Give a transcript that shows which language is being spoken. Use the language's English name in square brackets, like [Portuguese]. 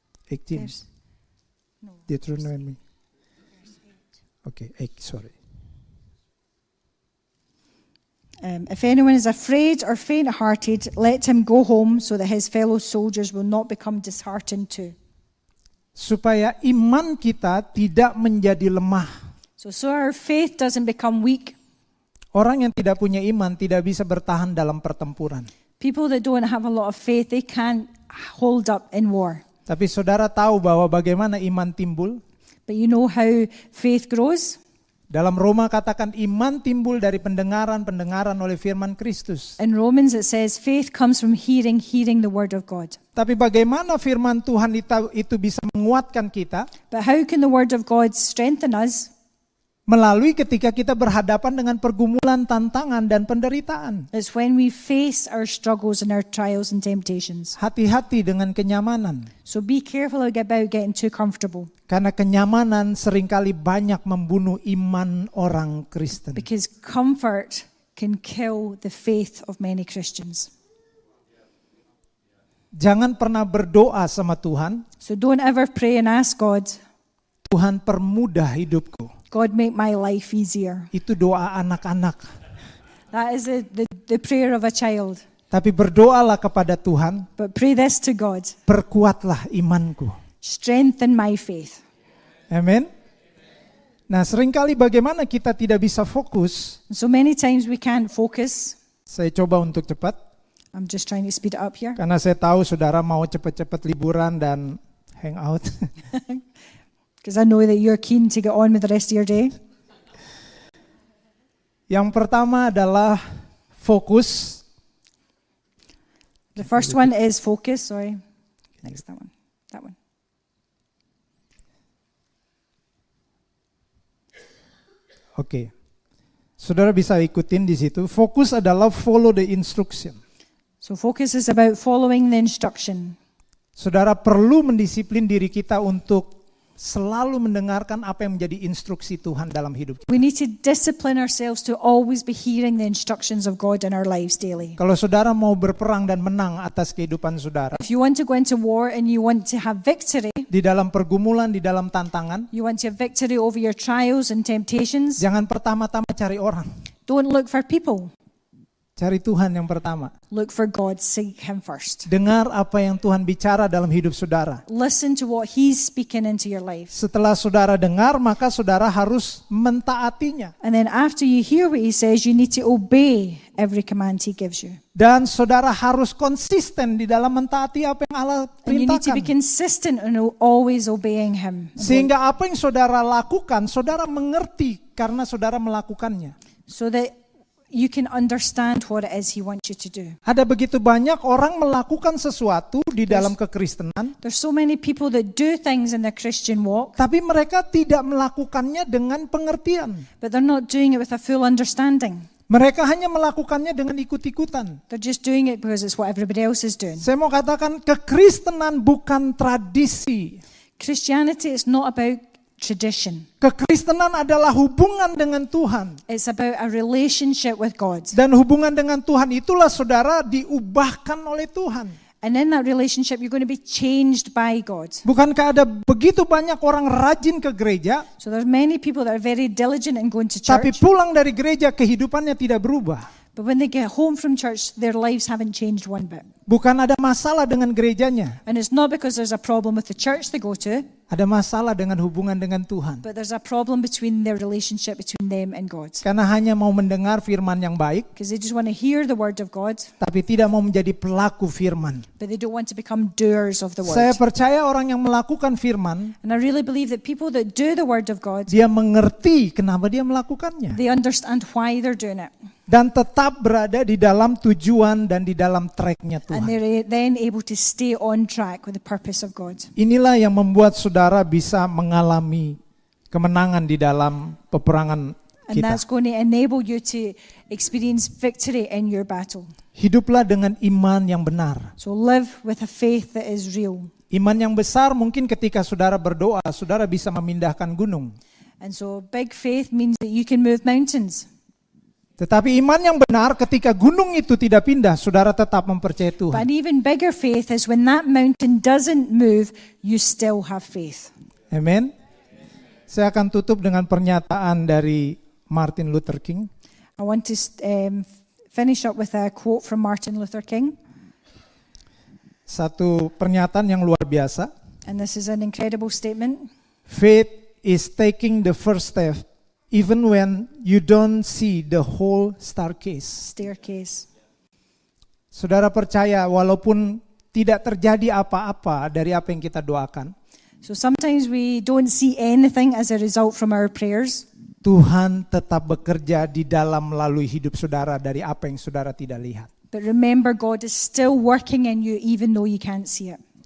[English] 18. No, Deuteronomy. Okay, sorry. If anyone is afraid or faint-hearted, let him go home so that his fellow soldiers will not become disheartened too. [Indonesian] Supaya iman kita tidak menjadi lemah. [English] So our faith doesn't become weak. [Indonesian] Orang yang tidak punya iman tidak bisa bertahan dalam pertempuran. [English] People that don't have a lot of faith, they can't hold up in war. [Indonesian] Tapi saudara tahu bahwa bagaimana iman timbul? [English] But you know how faith grows? [Indonesian] Dalam Roma katakan iman timbul dari pendengaran, pendengaran oleh firman Kristus. [English] In Romans it says faith comes from hearing, hearing the word of God. [Indonesian] Tapi bagaimana firman Tuhan itu bisa menguatkan kita? [English] But how can the word of God strengthen us? [Indonesian] Melalui ketika kita berhadapan dengan pergumulan, tantangan dan penderitaan. [English] It's when we face our struggles and our trials and temptations. [Indonesian] Hati-hati dengan kenyamanan. [English] So be careful about getting too comfortable. [Indonesian] Karena kenyamanan seringkali banyak membunuh iman orang Kristen. [English] Because comfort can kill the faith of many Christians. [Indonesian] Jangan pernah berdoa sama Tuhan. [English] So don't ever pray and ask God. [Indonesian] Tuhan permudah hidupku. [English] God make my life easier. [Indonesian] Itu doa anak-anak. [English] That is the prayer of a child. [Indonesian] Tapi berdoalah kepada Tuhan. [English] But pray this to God. [Indonesian] Perkuatlah imanku. [English] Strengthen my faith. [Indonesian] Amen. Nah, seringkali bagaimana kita tidak bisa fokus? [English] So many times we can't focus. [Indonesian] Saya coba untuk cepat. [English] I'm just trying to speed up here. [Indonesian] Karena saya tahu saudara mau cepat-cepat liburan dan [English] hang out. Because I know that you're keen to get on with the rest of your day. [Indonesian] Yang pertama adalah fokus. [English] The first one is focus, sorry. Next, that one. That one. [Indonesian] Okay. Saudara bisa ikutin di situ. Fokus adalah [English] follow the instruction. So focus is about following the instruction. [Indonesian] Saudara perlu mendisiplin diri kita untuk selalu mendengarkan apa yang menjadi instruksi Tuhan dalam hidup kita. [English] We need to discipline ourselves to always be hearing the instructions of God in our lives daily. [Indonesian] Kalau saudara mau berperang dan menang atas kehidupan saudara, [English] if you want to go into war and you want to have victory, [Indonesian] di dalam pergumulan, di dalam tantangan, [English] you want to have victory over your trials and temptations, [Indonesian] jangan pertama-tama cari orang. [English] Don't look for people. [Indonesian] Cari Tuhan yang pertama. [English] Look for God, seek Him first. [Indonesian] Dengar apa yang Tuhan bicara dalam hidup saudara. [English] Listen to what He's speaking into your life. [Indonesian] Setelah saudara dengar, maka saudara harus mentaatinya. [English] And then after you hear what He says, you need to obey every command He gives you. [Indonesian] Dan saudara harus konsisten di dalam mentaati apa yang Allah perintahkan. [English] And you need to be consistent in always obeying Him. [Indonesian] Sehingga apa yang saudara lakukan, saudara mengerti karena saudara melakukannya. [English] So that you can understand what it is He wants you to do. [Indonesian] Ada begitu banyak orang melakukan sesuatu di dalam kekristenan. [English] There's so many people that do things in their Christian walk. [Indonesian] Tapi mereka tidak melakukannya dengan pengertian. [English] But they're not doing it with a full understanding. [Indonesian] Mereka hanya melakukannya dengan ikut-ikutan. [English] They're just doing it because it's what everybody else is doing. [Indonesian] Saya mau katakan kekristenan bukan tradisi. [English] Christianity is not about tradition. [Indonesian] Kekristenan adalah hubungan dengan Tuhan. [English] It's about a relationship with God. [Indonesian] Dan hubungan dengan Tuhan itulah saudara diubahkan oleh Tuhan. [English] And in that relationship, you're going to be changed by God. [Indonesian] Bukankah ada begitu banyak orang rajin ke gereja? [English] So there's many people that are very diligent in going to church. [Indonesian] Tapi pulang dari gereja kehidupannya tidak berubah. [English] But when they get home from church, their lives haven't changed one bit. [Indonesian] Bukan ada masalah dengan gerejanya. [English] And it's not because there's a problem with the church they go to. [Indonesian] Ada masalah dengan hubungan dengan Tuhan. [English] But there's a problem between their relationship between them and God. [Indonesian] Karena hanya mau mendengar firman yang baik. [English] Because they just want to hear the word of God. [Indonesian] Tapi tidak mau menjadi pelaku firman. [English] But they don't want to become doers of the word. [Indonesian] Saya percaya orang yang melakukan firman. [English] And I really believe that people that do the word of God. [Indonesian] Dia mengerti kenapa dia melakukannya. [English] They understand why they're doing it. [Indonesian] Dan tetap berada di dalam tujuan dan di dalam track-nya Tuhan. [English] And they're then able to stay on track with the purpose of God. [Indonesian] Inilah yang membuat saudara bisa mengalami kemenangan di dalam peperangan kita. [English] And that's going to enable you to experience victory in your battle. [Indonesian] Hiduplah dengan iman yang benar. [English] So live with a faith that is real. [Indonesian] Iman yang besar mungkin ketika saudara berdoa, saudara bisa memindahkan gunung. [English] And so big faith means that you can move mountains. [Indonesian] Tetapi iman yang benar ketika gunung itu tidak pindah, saudara tetap mempercayai Tuhan. [English] But an even bigger faith is when that mountain doesn't move, you still have faith. [Indonesian] Amen. Saya akan tutup dengan pernyataan dari Martin Luther King. [English] I want to finish up with a quote from Martin Luther King. [Indonesian] Satu pernyataan yang luar biasa. [English] And this is an incredible statement. Faith is taking the first step. Even when you don't see the whole staircase. [Indonesian] Saudara percaya walaupun tidak terjadi apa-apa dari apa yang kita doakan. [English] So sometimes we don't see anything as a result from our prayers. [Indonesian] Tuhan tetap bekerja di dalam melalui hidup saudara dari apa yang saudara tidak lihat. [English] But remember, God is still working in you even though you can't see it.